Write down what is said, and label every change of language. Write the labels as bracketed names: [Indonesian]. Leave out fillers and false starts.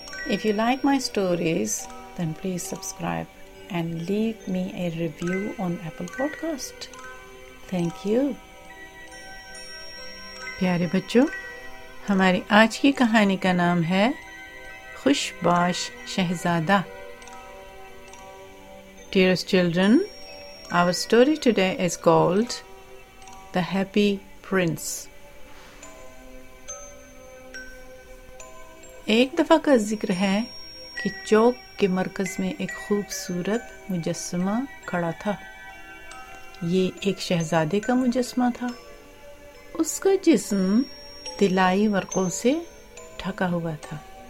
[English] If you like my stories then please subscribe and leave me a review on Apple podcast. Thank you. [Hindi] प्यारे बच्चों, हमारी आज की कहानी का नाम है खुशबाश शहजादा। [English] Dearest children, our story today is called The Happy Prince. [Hindi] एक दफा का जिक्र है कि चौक के मरकज में एक खूबसूरत मुजस्मा खड़ा था। ये एक शहजादे का मुजस्मा था। उसका जिस्म तिलाई वर्कों से ढका हुआ था।